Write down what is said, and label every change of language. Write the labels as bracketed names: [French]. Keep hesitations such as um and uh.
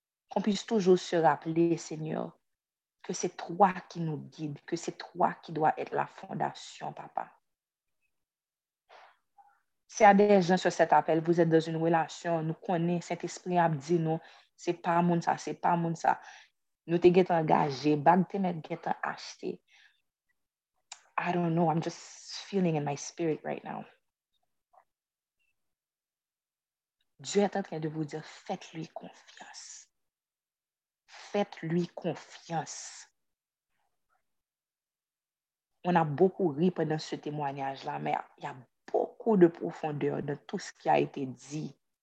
[French] Qu'on puisse toujours se rappeler, Seigneur, que c'est toi qui nous guide, que c'est toi qui doit être la fondation, papa. Si y a des gens sur cet appel, vous êtes dans une relation, nous connaissons cet esprit a dit non, c'est pas mon ça, c'est pas mon ça. Nous sommes engagé, nous sommes acheté. [English] I don't know. I'm just feeling in my spirit right now. [French] Je t'attends que de vous dire faites-lui confiance. Faites-lui confiance. On a beaucoup ri pendant ce témoignage-là, mais il y a beaucoup de profondeur de tout ce qui a été dit.